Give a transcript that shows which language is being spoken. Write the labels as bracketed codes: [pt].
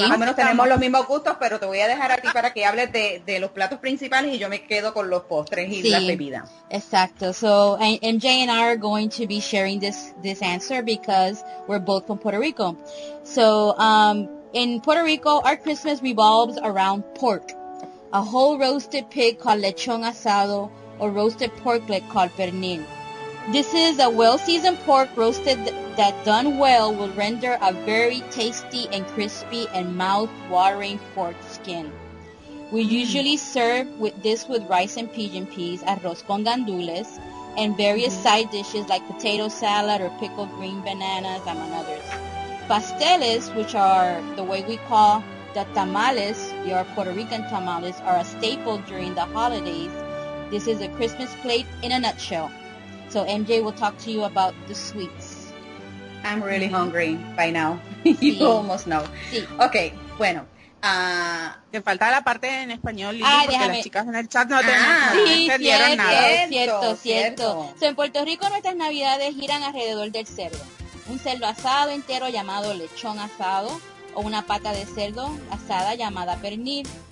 [es] Más o menos tenemos los mismos gustos, pero te voy a dejar a ti para que hables de los platos principales y yo me quedo con los postres y sí, la bebida. Exacto. [en] So, MJ and I are going to be sharing this answer because we're both from Puerto Rico. So, in Puerto Rico, our Christmas revolves around pork, a whole roasted pig called lechon asado, or roasted porklet called pernil. This is a well-seasoned pork roasted that done well will render a very tasty and crispy and mouth-watering pork skin. We usually serve with rice and pigeon peas, arroz con gandules, and various side dishes like potato salad or pickled green bananas, among others. Pasteles, which are the way we call the tamales, your Puerto Rican tamales, are a staple during the holidays. This is a Christmas plate in a nutshell. So MJ will talk to you about the sweets. I'm really hungry by now. You almost know. [es] Sí. Okay, bueno. Ah, te falta la parte en español, Lili, porque déjame. Las chicas en el chat no entendieron nada. Cierto. En Puerto Rico nuestras navidades giran alrededor del cerdo. Un cerdo asado entero llamado lechón asado o una pata de cerdo asada llamada pernil.